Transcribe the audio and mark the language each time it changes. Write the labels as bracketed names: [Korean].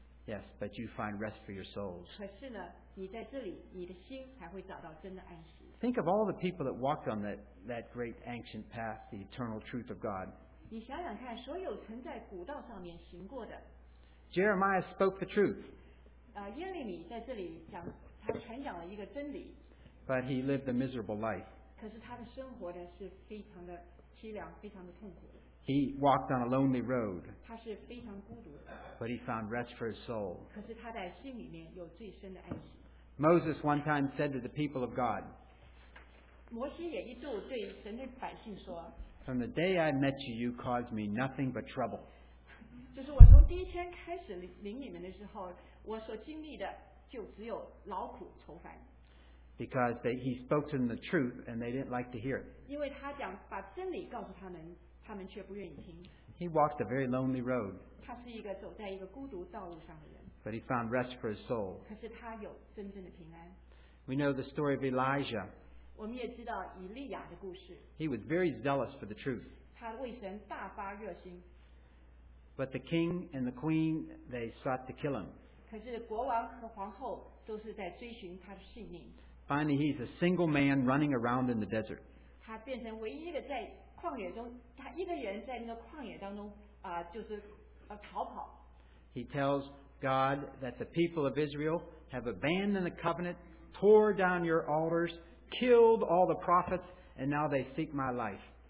[English] yes, but you find rest for your souls. [Chinese] 可是呢, 你在这里, 你的心还会找到真的安息。 [English] Think of all the people that walked on that great ancient path, the eternal truth of God. [Chinese] 你想想看, 所有曾在古道上面行过的, [English] Jeremiah spoke the truth. [Chinese] 耶利米在这里讲, 他传讲了一个真理, [English] but he lived a miserable life. [Chinese] 可是他的生活呢是非常的凄凉, 非常的痛苦的, [English] he walked on a lonely road. [Chinese] 他是非常孤独的, [English] but he found rest for his soul. [Chinese] 可是他在心里面有最深的安息。 [English] Moses one time said to the people of God, [Chinese] 摩西也一度对神的百姓说, [English] From the day I met you, you caused me nothing but trouble. [Chinese] 就是我从第一天开始领你们的时候，我所经历的就只有劳苦愁烦。 [English] Because he spoke to them the truth, and they didn't like to hear it. [Chinese] 因为他讲把真理告诉他们，他们却不愿意听。 [English] He walked a very lonely road. [Chinese] 他是一个走在一个孤独道路上的人。 [English] But he found rest for his soul. [Chinese] 可是他有真正的平安。 [English] We know the story of Elijah. [Chinese] 我们也知道以利亚的故事。 [English] He was very zealous for the truth. [Chinese] 他为神大发热心。 [English] But the king and the queen, they sought to kill him. [Chinese] 可是国王和皇后都是在追寻他的性命。 [English] Finally, he's a single man running around in the desert. [Chinese] 他变成唯一一个在旷野中，他一个人在那个旷野当中，就是逃跑。 [English] He tells God that the people of Israel have abandoned the covenant, tore down your altars, killed all the prophets, and now they seek my life.